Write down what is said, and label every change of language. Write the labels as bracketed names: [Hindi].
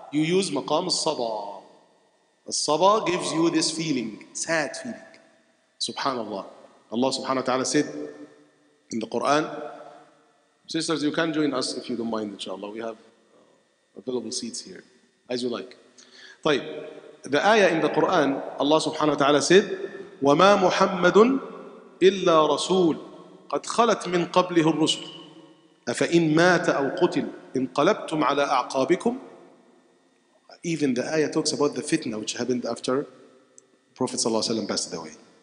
[English] You use maqam al-saba. Al-saba gives you this feeling, sad feeling. Subhanallah. Allah subhanahu wa ta'ala said in the Quran, sisters, you can join us if you don't mind, inshallah. We have available seats here, as you like. [Arabic] طيب, [English] the ayah in the Quran, Allah subhanahu wa ta'ala said, [Arabic] وَمَا مُحَمَّدٌ إِلَّا رَسُولٌ قد خلت من قبله الرسل أفإن مات أو قتل انقلبتم على أعقابكم. [English] Even the ayah talks about the fitna which happened after Prophet [Arabic] صلى الله عليه وسلم [English] passed away.